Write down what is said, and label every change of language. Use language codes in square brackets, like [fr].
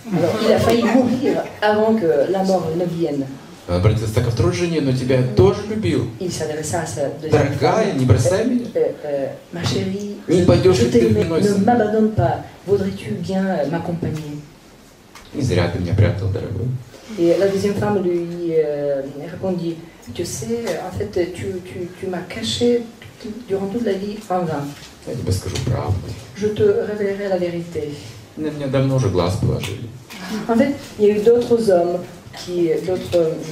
[fr] Alors, il a failli mourir avant que la mort ne vienne. [ru] Он обратился к второй жене, но тебя я тоже любил. [fr] Il s'adressa à sa deuxième. [ru] Дорогая, не бросай меня. [fr] Ma chérie, [ru] не пойдешь ли ты вновь? [fr] Ne m'abandonne pas. Voudrais-tu bien m'accompagner? [ru] Не зря ты меня прятал, дорогой. [fr] Et la deuxième femme lui répondit, tu sais, en fait, tu m'as caché durant toute la vie en vain. [ru] Я тебе скажу правду. [fr] Je te révélerai la vérité. [ru] На меня давно уже глаз положили. [fr] En fait, il y a eu d'autres hommes qui... D'autres...